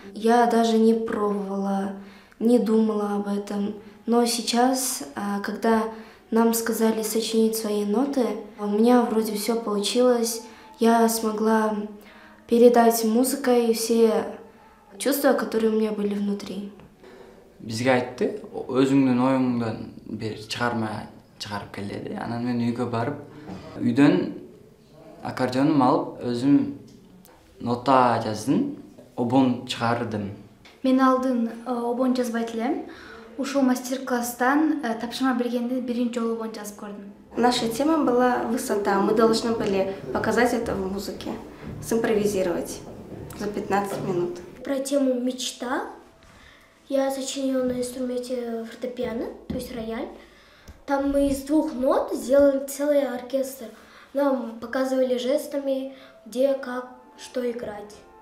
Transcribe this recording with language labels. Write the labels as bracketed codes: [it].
[ru] Я даже не пробовала, не думала об этом. Но сейчас, когда... Нам сказали сочинить свои ноты. У меня вроде все получилось. Я смогла передать музыкой все чувства, которые у меня были внутри. [ky] Бизге айтты, өзүңдүн оюңдан бир чыгарма чыгарып кел деди. Анан мен үйгө барып, үйдөн аккордеоном алып, өзүм нота жаздым, обон чыгардым. Мен алдын обон жазбайт элем. Ушел мастер-класстан, тапшырма бергенде биринчи жолу болгон жазып көрдүм. [ru] Наша тема была высота. Мы должны были показать это в музыке, симпровизировать за 15 минут. Про тему мечта. Я сочинила на инструменте фортепиано, то есть рояль. Там мы из двух нот сделали целый оркестр. Нам показывали жестами, где, как, что играть.